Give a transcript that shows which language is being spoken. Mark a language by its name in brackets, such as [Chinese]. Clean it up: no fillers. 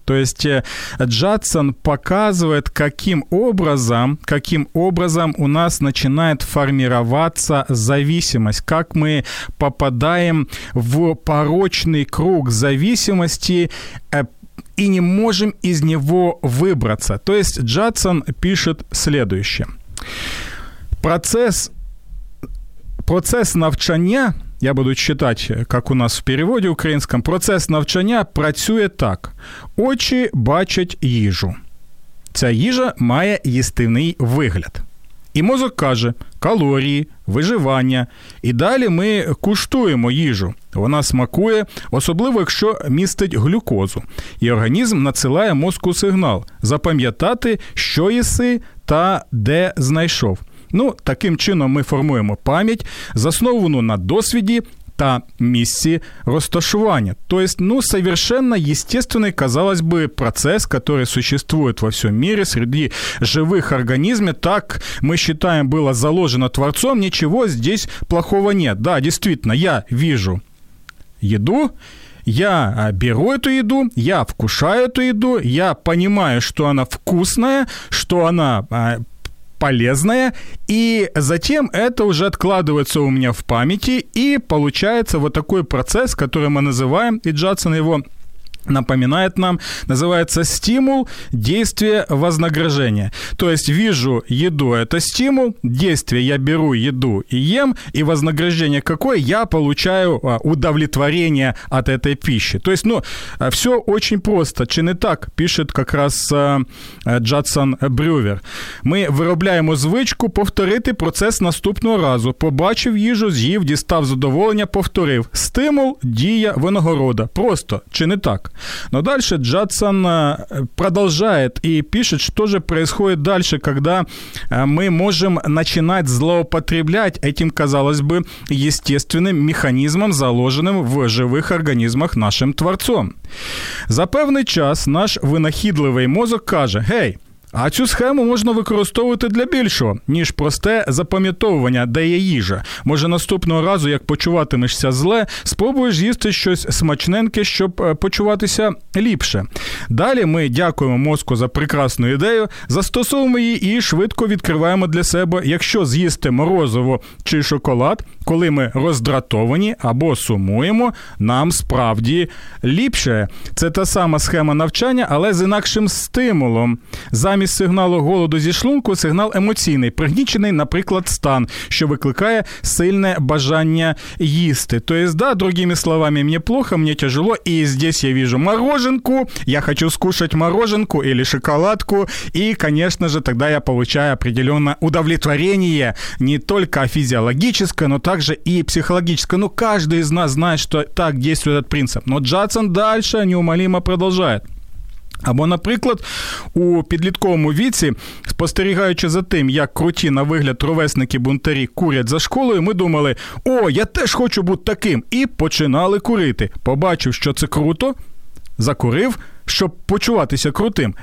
[Russian] То есть Джадсон показывает, каким образом у нас начинает формироваться зависимость, как мы попадаем в порочный круг зависимости и не можем из него выбраться. То есть Джадсон пишет следующее. Процесс навчання, я буду читать, как у нас в переводе украинском, [Ukrainian] процесс навчання працює так. Очі бачать їжу. Ця їжа має їстивний вигляд. І мозок каже, калорії, виживання. І далі ми куштуємо їжу. Вона смакує, особливо, якщо містить глюкозу. І організм надсилає мозку сигнал запам'ятати, що їси та де знайшов. Ну, таким чином ми формуємо пам'ять, засновану на досвіді та місці розташування. [Russian] Тобто, ну, совершенно естественний, казалось би, процес, который существует во всем мире среди живых организмов. Так, ми считаем, було заложено Творцом, нічого здесь плохого нет. Да, действительно, я вижу еду, я беру эту еду, я вкушаю эту еду, я понимаю, что она вкусная, что она полезная, и затем это уже откладывается у меня в памяти, и получается вот такой процесс, который мы называем, и Джадсон его напоминает нам, называется «Стимул действия вознаграждения». То есть вижу еду – это стимул, действие – я беру еду и ем, и вознаграждение какое? Я получаю удовлетворение от этой пищи. То есть, ну, все очень просто. Чин и так, пишет как раз Джадсон Брювер. [Ukrainian] Мы виробляем звичку повторити процес наступного разу. Побачив їжу, з'їв, дістав задоволення, повторив. Стимул – дія винагорода. Просто. Чин і так. [Russian] Но дальше Джадсон продолжает и пишет, что же происходит дальше, когда мы можем начинать злоупотреблять этим, казалось бы, естественным механизмом, заложенным в живых организмах нашим Творцом. [Ukrainian] За певний час наш винахідливий мозок каже: «Гей, а цю схему можна використовувати для більшого, ніж просте запам'ятовування, де є їжа. Може, наступного разу, як почуватимешся зле, спробуєш з'їсти щось смачненьке, щоб почуватися ліпше». Далі ми дякуємо мозку за прекрасну ідею, застосовуємо її і швидко відкриваємо для себе, якщо з'їсти морозиво чи шоколад, коли ми роздратовані або сумуємо, нам справді ліпше. Це та сама схема навчання, але з інакшим стимулом. Замість сигналу голоду зі шлунку – сигнал емоційний, пригнічений, наприклад, стан, що викликає сильне бажання їсти. [Russian] То есть, да, другими словами, мені плохо, мені тяжело, і здесь я вижу мороженку, я хочу скушать мороженку или шоколадку, і, конечно же, тогда я получаю определенное удовлетворение не только физиологическое, но также и психологическое. Ну, каждый из нас знает, что так действует этот принцип. Но Джадсон дальше неумолимо продолжает. [Ukrainian] Або, наприклад, у підлітковому віці, спостерігаючи за тим, як круті на вигляд ровесники-бунтарі курять за школою, ми думали: «О, я теж хочу бути таким!» І починали курити. Побачив, що це круто, закурив, щоб почуватися крутим.